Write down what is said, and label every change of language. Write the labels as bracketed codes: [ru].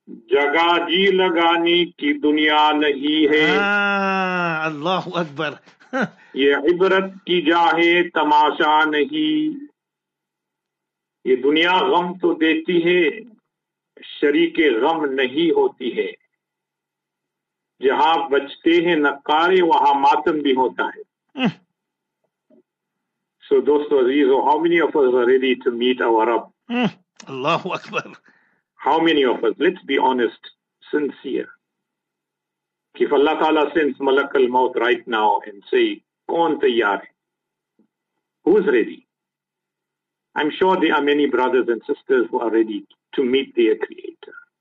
[ur] جگہ جی لگانے کی دنیا نہیں ہے اللہ اکبر یہ عبرت کی جا ہے تماشا نہیں یہ دنیا غم تو دیتی ہے شریک غم نہیں ہوتی ہے جہاں بچتے ہیں نقارے وہاں ماتم بھی ہوتا ہے سو دوستو عزیزو [en] how many of us are ready to meet our Rabb [ur] Allah Akbar [en] How many of us, let's be honest, sincere. If Allah Ta'ala sends Malak al-Maut right now and say, [ur] Kaun tayyar hai? [en] Who's ready? I'm sure there are many brothers and sisters who are ready to meet their Creator.